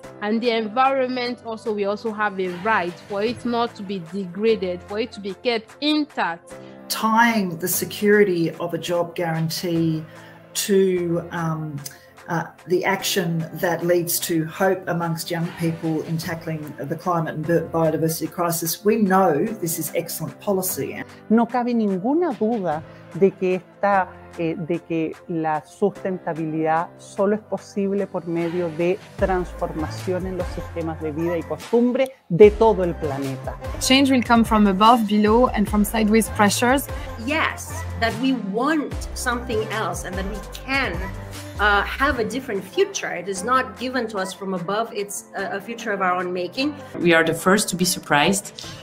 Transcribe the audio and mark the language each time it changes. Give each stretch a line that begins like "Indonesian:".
English: And the environment also, we also have a right for it not to be degraded, for it to be kept intact. Tying the security of a job guarantee to the action that leads to hope amongst young people in tackling the climate and biodiversity crisis, we know this is excellent policy.
Spanish: No cabe ninguna duda de que la sustentabilidad solo es posible por medio de transformación en los sistemas de vida y costumbre de todo el planeta.
English: Change will come from above, below, and from sideways pressures. Yes, that we want something else and that we can have a different future. It is not given to us from above, it's a future of our own making. We are the first to be surprised.